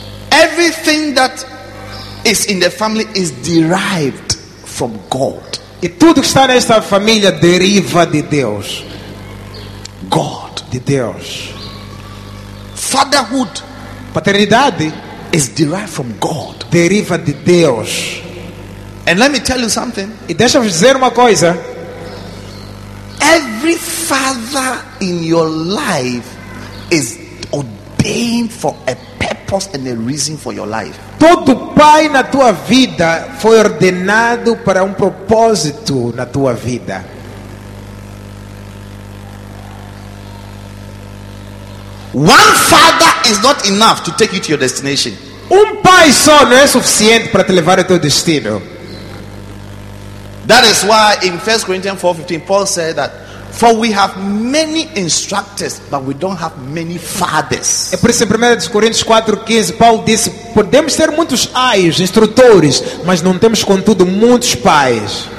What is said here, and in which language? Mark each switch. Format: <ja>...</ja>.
<en>everything that is in the family is derived from God.</en> <pt>E tudo que está nesta família deriva de Deus.</pt> <en>God,</en> <pt>de Deus.</pt> <en>Fatherhood,</en> <pt>paternidade,</pt> <en>is derived from God.</en> <pt>Deriva de Deus.</pt> <en>And let me tell you something.</en> <pt>E deixa-me dizer uma coisa.</pt> <en>Every father in your life is ordained for a purpose and a reason for your life.</en> <pt>Todo pai na tua vida foi ordenado para propósito na tua vida.</pt> <en>One father is not enough to take you to your destination.</en> <pt>Pai só não é suficiente para te levar ao teu destino.</pt> <en>That is why in 1 Corinthians 4:15 Paul said that for we have many instructors but we don't have many fathers.</en> <pt>É por isso em 1 Coríntios 4:15 Paulo disse podemos ter muitos pais, instrutores, mas não temos contudo muitos pais.</pt>